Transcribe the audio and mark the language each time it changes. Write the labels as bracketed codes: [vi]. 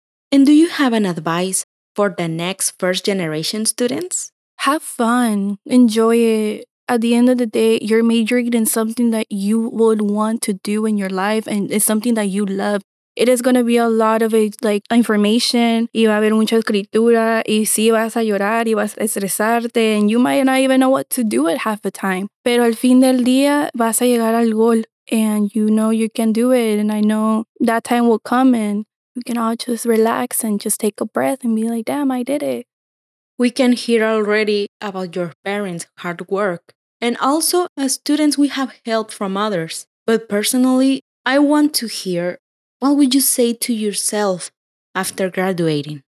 [en] And do you have an advice for the next first generation students? Have fun. Enjoy it. at the end of the day, you're majoring in something that you would want to do in your life and it's something that you love. It is going to be a lot of like information. [es] Y va a haber mucha escritura. Y sí, vas a llorar y vas a estresarte. [en] And you might not even know what to do it half the time. [es] Pero al fin del día, vas a llegar al gol. [en] And you know you can do it. And I know that time will come and we can all just relax and just take a breath and be like, damn, I did it. We can hear already about your parents' hard work. And also, as students, we have help from others. But personally, I want to hear, what would you say to yourself after graduating?